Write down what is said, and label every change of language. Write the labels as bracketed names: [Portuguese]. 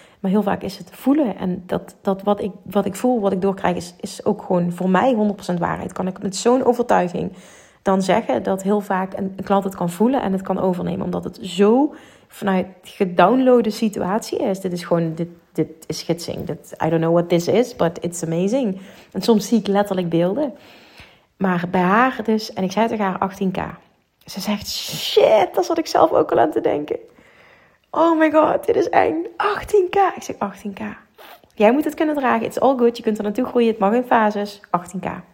[Dutch] Maar heel vaak is het voelen. En dat wat ik voel, wat ik doorkrijg, is ook gewoon voor mij 100% waarheid. Kan ik met zo'n overtuiging dan zeggen dat heel vaak een klant het kan voelen en het kan overnemen. Omdat het zo vanuit gedownloade situatie is. Dit is gewoon, dit is schitsing. [English] I don't know what this is, but it's amazing. [Dutch] En soms zie ik letterlijk beelden. Maar bij haar dus, en ik zei tegen haar 18k. Ze zegt, shit, dat zat ik zelf ook al aan te denken. [English] Oh my god, [Dutch] dit is eng. 18k. Ik zeg 18k. Jij moet het kunnen dragen. [English] It's all good. [Dutch] Je kunt er naartoe groeien. Het mag in fases. 18k.